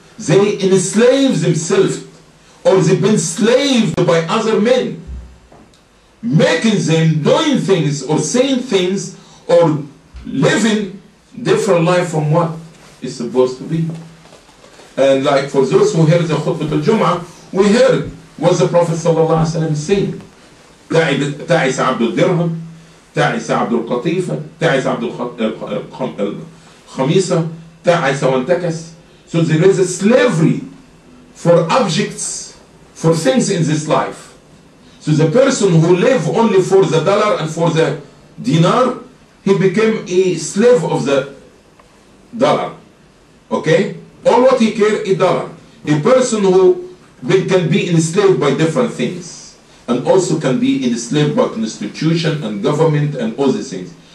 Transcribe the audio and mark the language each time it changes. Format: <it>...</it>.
<en>They enslave themselves, or they've been enslaved by other men, making them doing things or saying things or living different life from what is supposed to be. And like for those who heard the khutbah al-Jum'ah, we heard what the Prophet sallallahu alaihi wasallam saying.</en> <ar>تعس عبد الدرهم تعس عبد القطيفة تعس عبد الخميسة تعس وانتكس.</ar> <en>So there is a slavery for objects, for things in this life. So the person who lives only for the dollar and for the dinar, he became a slave of the dollar. Okay? All what he cares is dollar. A person who can be enslaved by different things, and also can be enslaved by constitution and government and all these things.</en>